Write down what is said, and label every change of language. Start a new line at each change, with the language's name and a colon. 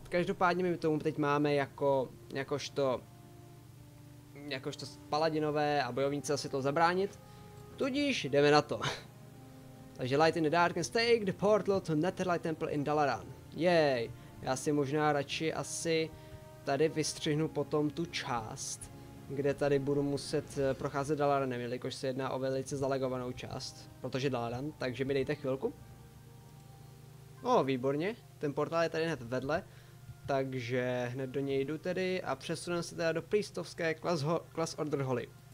Czech: Každopádně my tomu teď máme jakožto paladinové a bojovníci asi to zabránit, tudíž jdeme na to. Takže
English: Light in the Dark and Stake the Portal to Netherlight Temple in Dalaran.
Czech: Jej, já si možná radši asi tady vystřihnu potom tu část, kde tady budu muset procházet Dalaranem, jelikož se jedná o velice zalagovanou část, protože Dalaran, takže mi dejte chvilku. O, výborně, ten portál je tady hned vedle, takže hned do něj jdu tedy a přesunu se teda do Priestovské Class Order Holy.